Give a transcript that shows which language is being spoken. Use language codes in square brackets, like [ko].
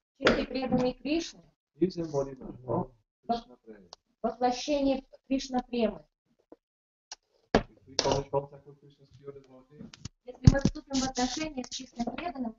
[ru] Чистый преданный Кришна. [en] His embodiment. Krishna prema. [ru] Воплощение Кришна премы. [en] If we come in contact with Krishna's pure devotee. [ru] Если мы вступим в отношения с чистым преданным